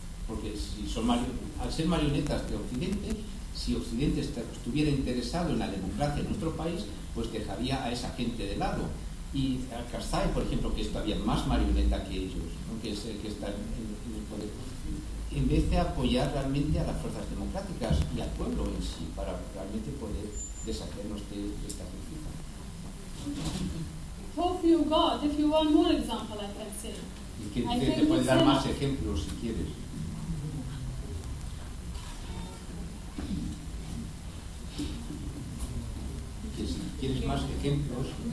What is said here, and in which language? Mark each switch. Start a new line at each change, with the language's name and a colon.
Spanish: Porque si son al ser marionetas de Occidente, si Occidente estuviera interesado en la democracia en nuestro país, pues dejaría a esa gente de lado. Y Karzai, por ejemplo, que es todavía más marioneta que ellos, ¿no? Que es el que está en el poder, en vez de apoyar realmente a las fuerzas democráticas y al pueblo en sí, para realmente poder deshacernos de esta política.
English: Hope you got, if you want more example, I can say.
Spanish: Y que te puede dar más ejemplos si quieres. Que si quieres más ejemplos.